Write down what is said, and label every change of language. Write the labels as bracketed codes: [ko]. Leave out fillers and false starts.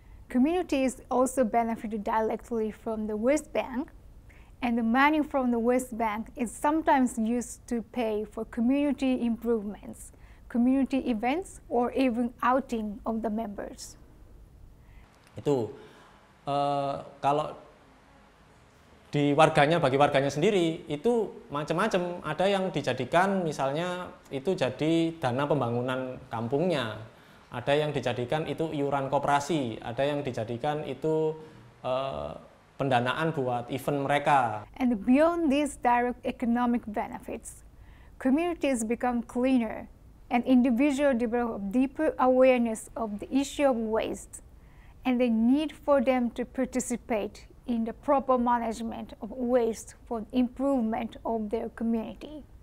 [en] Communities also benefit directly from the waste bank, and the money from the waste bank is sometimes used to pay for community improvements, community events, or even outing of the members. [id] Itu kalau di warganya, bagi warganya sendiri itu macam-macam, ada yang dijadikan misalnya itu jadi dana pembangunan kampungnya, ada yang dijadikan itu iuran koperasi, ada yang dijadikan itu pendanaan buat event mereka. [en] And beyond these direct economic benefits, communities become cleaner and individuals develop deeper awareness of the issue of waste and the need for them to participate in the proper management of waste for improvement of their community.